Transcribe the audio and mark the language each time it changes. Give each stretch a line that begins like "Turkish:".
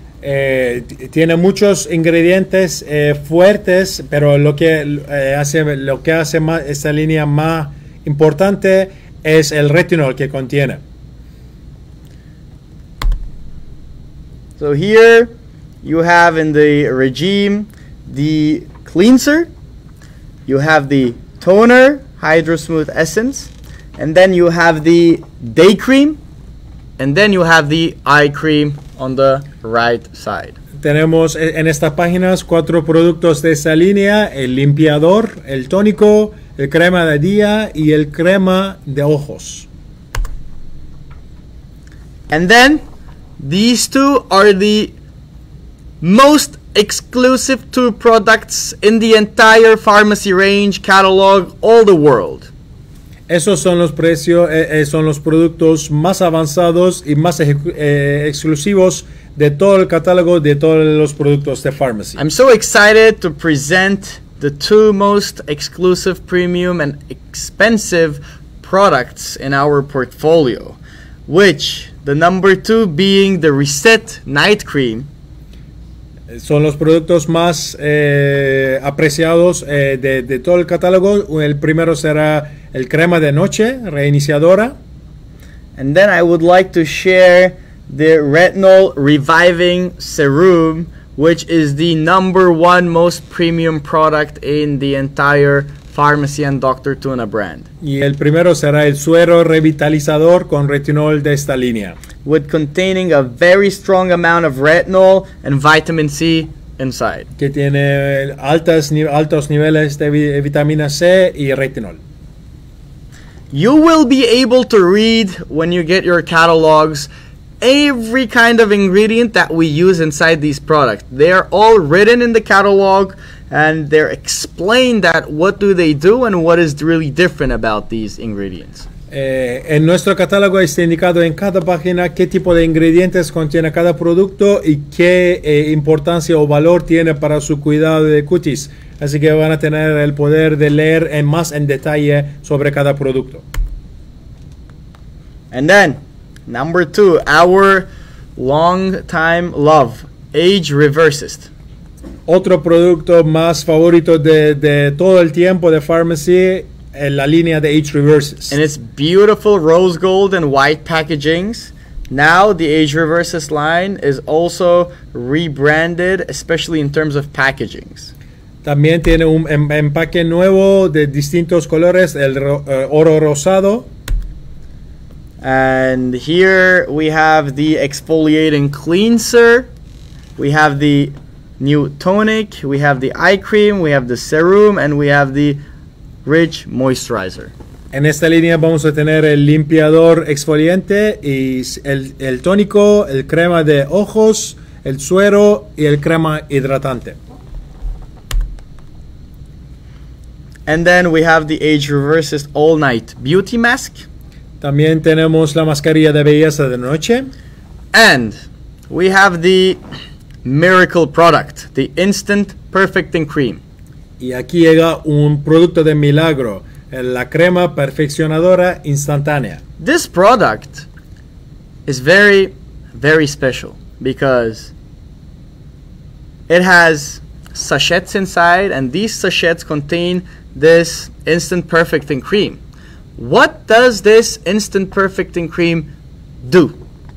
Spanish: Tiene muchos ingredientes fuertes, pero lo que hace más esta línea más importante es el retinol que contiene.
English: So here you have in the regime the cleanser, you have the toner, Hydro Smooth Essence, and then you have the day cream, and then you have the eye cream on the right side.
Spanish: Tenemos en estas páginas cuatro productos de esa línea, el limpiador, el tónico, el crema de día y el crema de ojos.
English: And then these two are the most exclusive two products in the entire Farmasi range catalog all the world.
Spanish: Esos son los precios, son los productos más avanzados y más exclusivos de todo el catálogo de todos los productos de Farmasi.
English: I'm so excited to present the two most exclusive premium and expensive products in our portfolio, which the number two being the Reset Night Cream.
Spanish: Son los productos más apreciados de todo el catálogo. El primero será el crema de noche, reiniciadora.
English: And then I would like to share the Retinol Reviving Serum, which is the number one most premium product in the entire Farmasi and Dr. Tuna brand.
Spanish: Y el primero será el suero revitalizador con retinol de esta línea,
English: with containing a very strong amount of retinol and vitamin C inside.
Spanish: Que tiene altos niveles de vitamina C y retinol.
English: You will be able to read when you get your catalogs every kind of ingredient that we use inside these products. They are all written in the catalog and they're explained that what do they do and what is really different about these ingredients.
Spanish: En nuestro catálogo está indicado en cada página qué tipo de ingredientes contiene cada producto y qué importancia o valor tiene para su cuidado de cutis. Así que van a tener el poder de leer más en detalle sobre cada producto.
English: And then, number two, our long time love, Age Reversist.
Spanish: Otro producto más favorito de todo el tiempo de Farmasi, en la línea de Age Reverses.
English: And it's beautiful rose gold and white packagings. Now the Age Reverses line is also rebranded, especially in terms of packagings.
Spanish: También tiene un empaque nuevo de distintos colores, el oro rosado.
English: And here we have the exfoliating cleanser. We have the new tonic. We have the eye cream. We have the serum. And we have the Rich Moisturizer.
Spanish: En esta línea vamos a tener el limpiador exfoliante y el tónico, el crema de ojos, el suero y el crema hidratante.
English: And then we have the Age Reverses All Night Beauty Mask.
Spanish: También tenemos la mascarilla de belleza de noche.
English: And we have the miracle product, the Instant Perfecting Cream.
Spanish: Y aquí llega un producto de milagro, la crema perfeccionadora instantánea.
English: This product is very, very special. because it has sachets inside, and these sachets contain this instant perfect in cream. What does this instant perfect in cream do?